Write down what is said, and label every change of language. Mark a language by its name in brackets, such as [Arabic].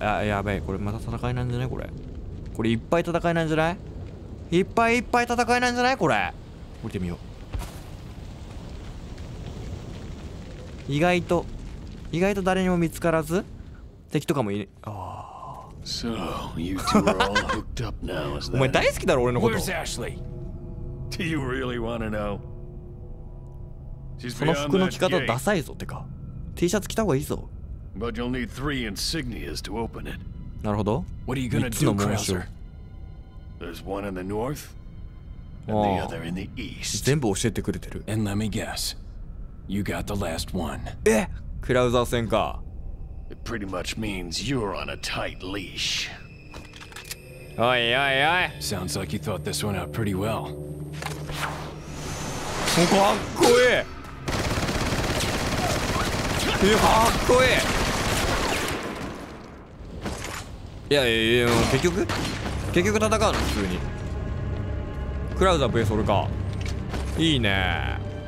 [Japanese] やべ、これまた戦いなんじゃない、これいっぱい戦いなんじゃない、いっぱいいっぱい戦いなんじゃない、これ。降りてみよう。意外と誰にも見つからず、敵とかもいね。ああ。 [English] So, you two are all hooked up now, is that? [Japanese] お前大好きだろ、俺のこと。 [English] Where's Ashley? Do you really want to know? [Japanese] その服の着方ダサいぞ、てか。T シャツ着た方がいいぞ。 [English] But you'll need three insignias to open it. [Japanese] なるほど。 [English] What are you gonna do, Krauser? There's one in the north, and the other in the east. [Japanese] 全部教えてくれてる。 [English] And let me guess, you got the last one. [Japanese] え、クラウザー戦か。 [English] It pretty much means you're on a tight leash. [Japanese] おいおいおい。 [English] Sounds like you thought this one out pretty well. [Japanese] かっこいい、かっこいい。いやいやいや、結局戦うの普通に。クラウザー VS 俺か。いいね。